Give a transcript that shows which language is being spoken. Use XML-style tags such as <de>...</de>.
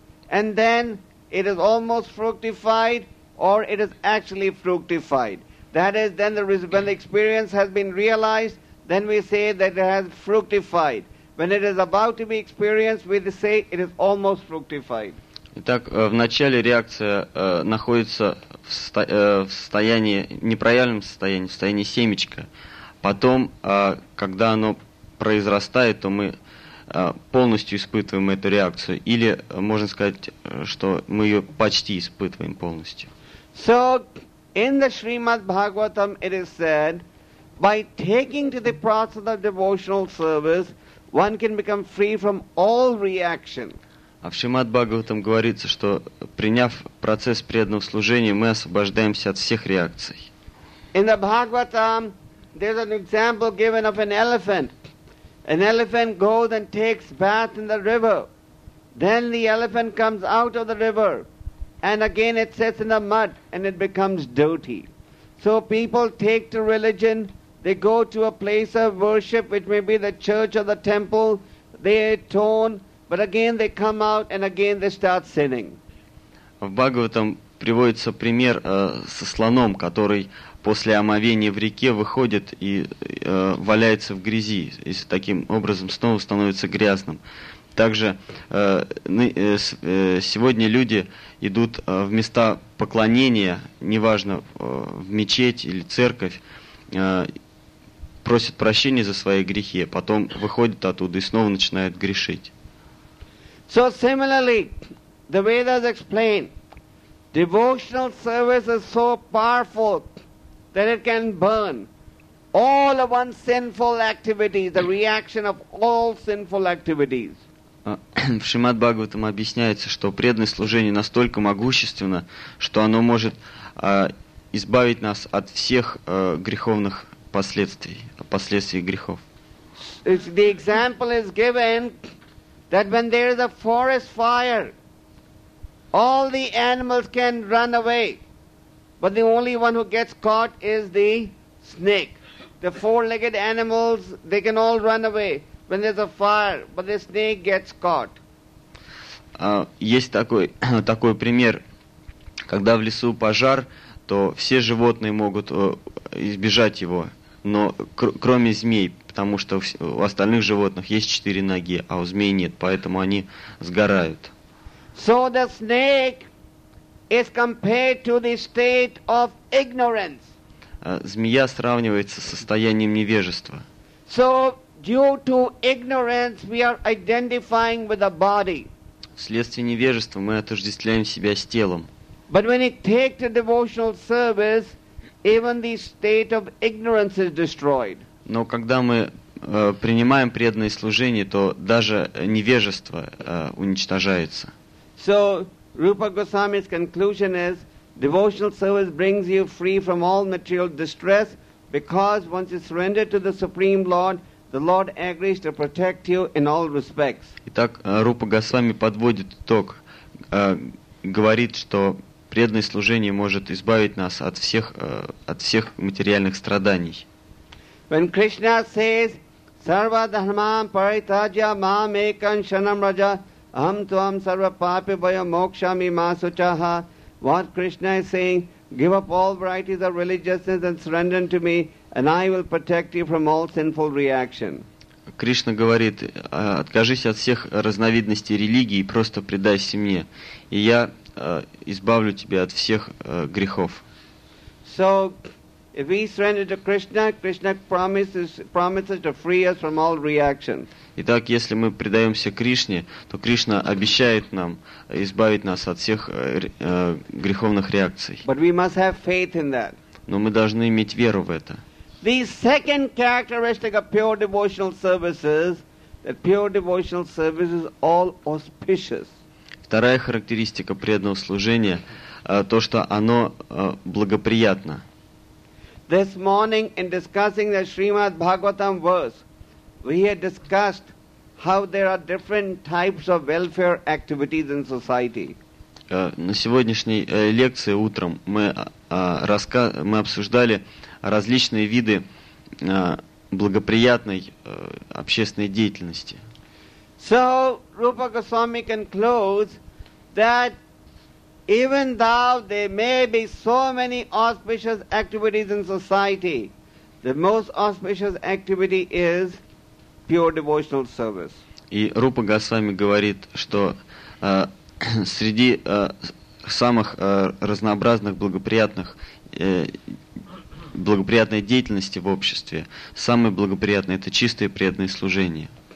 <en>And then it is almost fructified or it is actually fructified. That is, then when the experience has been realized, then we say that it has fructified. When it is about to be experienced, we say it is almost fructified.</en> <ru>Итак, в начале реакция находится в состоянии, непроявленном состоянии, в состоянии семечка. Потом, когда оно произрастает, то мы полностью испытываем эту реакцию. Или можно сказать, что мы ее почти испытываем полностью.</ru> <en>So, in the Srimad Bhagavatam it is said, by taking to the process of devotional service, one can become free from all reaction.</en> <ru>А в Шримад-Бхагаватам говорится, что приняв процесс преданного служения, мы освобождаемся от всех реакций.</ru> <en>In the Bhagavatam, there's an example given of an elephant. An elephant goes and takes bath in the river. Then the elephant comes out of the river, and again it sits in the mud, and it becomes dirty. So people take to religion, they go to a place of worship, which may be the church or the temple, they atone, but again they come out and again they start sinning.</en> <ru>В Бхагаватам приводится пример со слоном, который после омовения в реке выходит и валяется в грязи, и таким образом снова становится грязным. Также сегодня люди идут в места поклонения, неважно, в мечеть или церковь, просят прощения за свои грехи, а потом выходят оттуда и снова начинают грешить.</ru> <en>So similarly, the Vedas explain, devotional service is so powerful that it can burn all of one's sinful activities, the reaction of all sinful activities.</en> <ru>В Шримад-Бхагаватам объясняется, что преданное служение настолько могущественно, что оно может избавить нас от всех греховных последствий грехов.</ru> <en>The example is given that when there is a forest fire, all the animals can run away, but the only one who gets caught is the snake. The four-legged animals, they can all run away when there's a fire, but the snake gets caught.</en> <ru>Есть такой пример, когда в лесу пожар, то все животные могут избежать его, но кроме змей, потому что у остальных животных есть четыре ноги, а у змей нет, поэтому они сгорают.</ru> <en>So the snake is compared to the state of ignorance.</en> <ru>Змея сравнивается с состоянием невежества.</ru> <en>So due to ignorance we are identifying with the body.</en> <ru>Вследствие невежества мы отождествляем себя с телом.</ru> <en>But when you take the devotional service, even the state of ignorance is destroyed.</en> <ru>Но когда мы принимаем преданное служение, то даже невежество уничтожается.</ru> <en>So, Rupa Goswami's conclusion is, devotional service brings you free from all material distress, because once you surrender to the Supreme Lord, the Lord agrees to protect you in all respects.</en> <ru>Итак, Рупа Госвами подводит итог, говорит, что преданное служение может избавить нас от всех материальных страданий.</ru> <en>When Krishna says,</en> <sa>Sarva dharmam paritajya mam ekam shanam raja aham tvam sarva papi vaya mokshami masuchaha,</sa> <en>what Krishna is saying, give up all varieties of religiousness and surrender to me and I will protect you from all sinful reaction.</en> <ru>Кришна говорит, откажись от всех разновидностей религии и просто предайся мне, и я избавлю тебя от всех грехов.</ru> <en>So, if we surrender to Krishna, Krishna promises to free us from all reaction.</en> <ru>Итак, если мы предаемся Кришне, то Кришна обещает нам избавить нас от всех греховных реакций.</ru> <en>But we must have faith in that.</en> <ru>но мы должны иметь веру в это.</ru> <en>The second characteristic of pure devotional services, that pure devotional services are all auspicious.</en> <ru>Вторая характеристика преданного служения то, что оно благоприятно.</ru> <en>This morning, in discussing the Srimad Bhagavatam verse, we had discussed how there are different types of welfare activities in society.</en> <ru>На сегодняшней лекции утром мы обсуждали различные виды благоприятной общественной деятельности.</ru> <en>So Rupa Goswami concludes that even though there may be so many auspicious activities in society, the most auspicious activity is pure devotional service.</en> <ru>И Рупа Госвами говорит, что среди самых разнообразных благоприятной деятельности в обществе самое благоприятное это чистое преданное служение.</ru>